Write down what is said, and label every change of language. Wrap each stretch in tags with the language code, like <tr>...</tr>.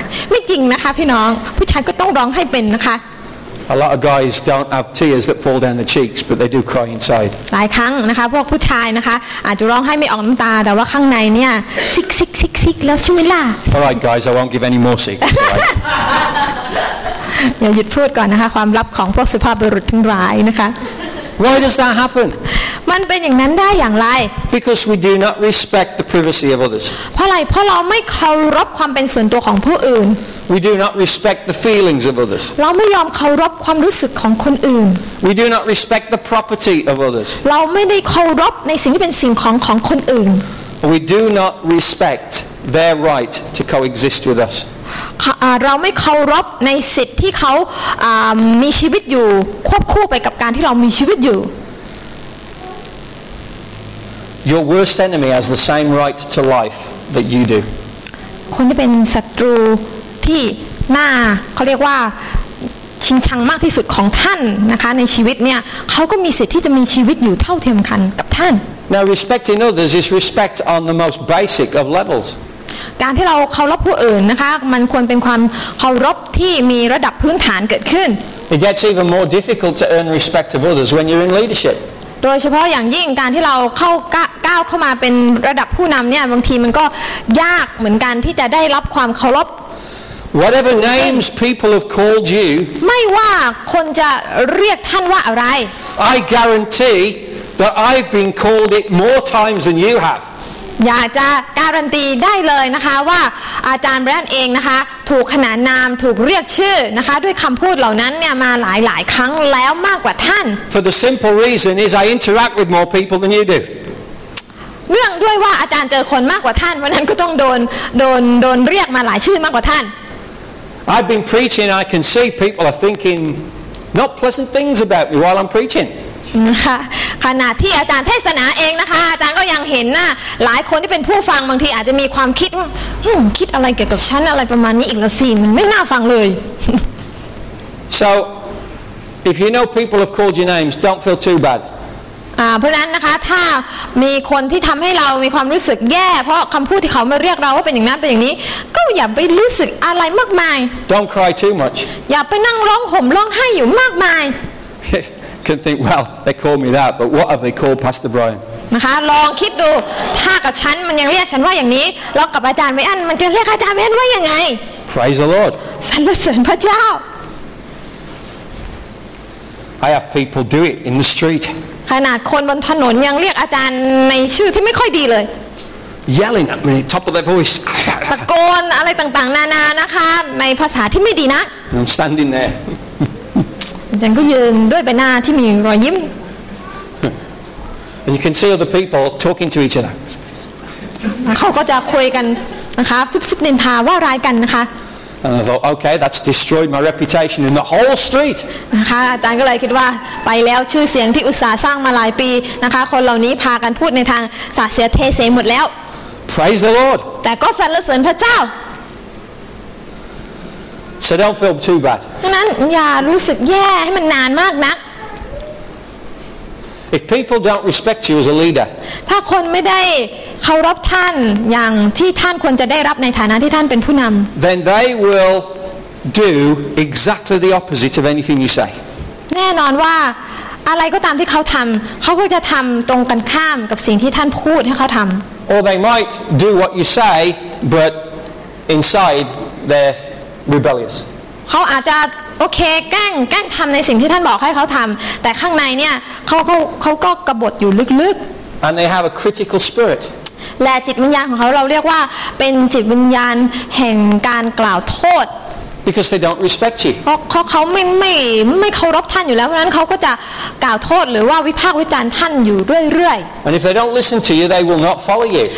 <th>ไม่จริงนะคะพี่น้องผู้ชายก็ต้องร้องไห้เป็นนะคะ</th> <en>A lot of guys don't have tears that fall down the cheeks, but they do cry inside.</en> <th>หลายครั้งนะคะพวกผู้ชายนะคะอาจจะร้องไห้ไม่ออกน้ำตาแต่ว่าข้างในเนี่ยซิกซิกซิกซิกแล้วใช่ไหมล่ะ</th> <en>All right, guys, I won't give any more secrets.</en> <th>อย่าหยุดพูดก่อนนะคะความลับของพวกสุภาพบุรุษทั้งหลายนะคะ</th> <en>Why does that happen?</en> <th>มันเป็นอย่างนั้นได้อย่างไร</th> <en>Because we do not respect the privacy of others.</en> <th>เพราะอะไรเพราะเราไม่เคารพความเป็นส่วนตัวของผู้อื่น</th> <en>We do not respect the feelings of others.</en> <th>เราไม่ยอมเคารพความรู้สึกของคนอื่น</th> <en>We do not respect the property of others.</en> <th>เราไม่ได้เคารพในสิ่งที่เป็นสิ่งของของคนอื่น</th> <en>We do not respect their right to coexist with us.</en> <th>เราไม่เคารพในสิทธิ์ที่เขามีชีวิตอยู่ควบคู่ไปกับการที่เรามีชีวิตอยู่</th> <en>Your worst enemy has the same right to life that you do</en> <th>คนที่เป็นศัตรูที่หน้าเขาเรียกว่าชิงชังมากที่สุดของท่านนะคะในชีวิตเนี่ยเขาก็มีสิทธิ์ที่จะมีชีวิตอยู่เท่าเทียมกันกับท่าน</th> <en>Now respecting others is respect on the most basic of levels</en> <th>การที่เราเคารพผู้อื่นนะคะมันควรเป็นความเคารพที่มีระดับพื้นฐานเกิดขึ้น</th> <en>It gets even more difficult to earn respect of others when you're in leadership</en> <th>โดยเฉพาะอย่างยิ่งการที่เราเข้าก้าวเข้ามาเป็นระดับผู้นำเนี่ยบางทีมันก็ยากเหมือนกันที่จะได้รับความเคารพ</th> <en>Whatever names people have called you</en> <th>ไม่ว่าคนจะเรียกท่านว่าอะไร</th> <en>I guarantee that I've been called it more times than you have</en> <th>อยากจะการันตีได้เลยนะคะว่าอาจารย์แบรนด์เองนะคะถูกขนานนามถูกเรียกชื่อนะคะด้วยคำพูดเหล่านั้นเนี่ยมาหลายหลายครั้งแล้วมากกว่าท่าน</th> <en>For the simple reason is I interact with more people than you do</en> <th>เนื่องด้วยว่าอาจารย์เจอคนมากกว่าท่านวันนั้นก็ต้องโดนเรียกมาหลายชื่อมากกว่าท่าน</th> <en>I've been preaching I can see people are thinking not pleasant things about me while I'm preaching</en> <th>นะคะ ขณะที่อาจารย์เทศนาเองนะคะอาจารย์ก็ยังเห็นนะหลายคนที่เป็นผู้ฟังบางทีอาจจะมีความคิดคิดอะไรเกี่ยวกับฉันอะไรประมาณนี้อีกละสิมันไม่น่าฟังเลย</th> <en>So if you know people have called your names don't feel too bad</en> <th>เพราะนั้นนะคะถ้ามีคนที่ทำให้เรามีความรู้สึกแย่เพราะคำพูดที่เขามาเรียกเราว่าเป็นอย่างนั้นเป็นอย่างนี้ก็อย่าไปรู้สึกอะไรมากมาย</th> <en>Don't cry too much</en> <th>อย่าไปนั่งร้องห่มร้องไห้อยู่มากมาย</th> <en>Can think well they call me that but what have they called Pastor Brian</en> <th>นะคะลองคิดดูถ้ากับฉันมันยังเรียกฉันว่าอย่างนี้แล้วกับอาจารย์ไม่อันมันจะเรียกอาจารย์ไม่อันว่ายังไง</th> <en>Praise the Lord</en> <th>สรรเสริญพระเจ้า</th> <en>I have people do it in the street</en> <th>ขนาดคนบนถนนยังเรียกอาจารย์ในชื่อที่ไม่ค่อยดีเลย</th> <en>Yelling at me top of their voice</en> <th>ตะโกนอะไรต่างๆนานานะคะในภาษาที่ไม่ดีนะ</th> <en>I'm standing there</en> <th>อาจารย์ก็ยืนด้วยใบหน้าที่มีรอยยิ้ม</th> <en>And you can see other people talking to each other</en> <th>เขาก็จะคุยกันนะคะซุบซิบนินทาว่าร้ายกันนะคะ</th> <en>And I thought, okay, that's destroyed my reputation in the whole street.</en> <th>นะคะอาจารย์ก็เลยคิดว่าไปแล้วชื่อเสียงที่อุตส่าห์สร้างมาหลายปีนะคะคนเหล่านี้พากันพูดในทางสาเสียเทเสหมดแล้ว</th> <en>Praise the Lord.</en> <th>แต่ก็สรรเสริญพระเจ้า</th> <en>So don't feel too bad.</en> <th>นั้นอย่ารู้สึกแย่ให้มันนานมากนัก</th> <en>If people don't respect you as a leader,</en> <th>ถ้าคนไม่ได้เคารพท่านอย่างที่ท่านควรจะได้รับในฐานะที่ท่านเป็นผู้นำ</th> <en>Then they will do exactly the opposite of anything you say</en> <th>แน่นอนว่าอะไรก็ตามที่เขาทำเขาก็จะทำตรงกันข้ามกับสิ่งที่ท่านพูดให้เขาทำ</th> <en>Or they might do what you say but inside they're rebellious</en> <th>เขาอาจจะโอเคแกล้งทำในสิ่งที่ท่านบอกให้เขาทำแต่ข้างในเนี่ยเขาก็กบฏอยู่ลึกๆ</th> <en>And they have a critical spirit.</en> <th>และจิตวิญญาณของเขาเราเรียกว่าเป็นจิตวิญญาณแห่งการกล่าวโทษ</th> <en>Because they don't respect you.</en> <th>เขาไม่เคารพท่านอยู่แล้วนั้นเขาก็จะกล่าวโทษหรือว่าวิพากษ์วิจารณ์ท่านอยู่เรื่อย</th> <en>ๆ And if they don't listen to you, they will not follow you.</en>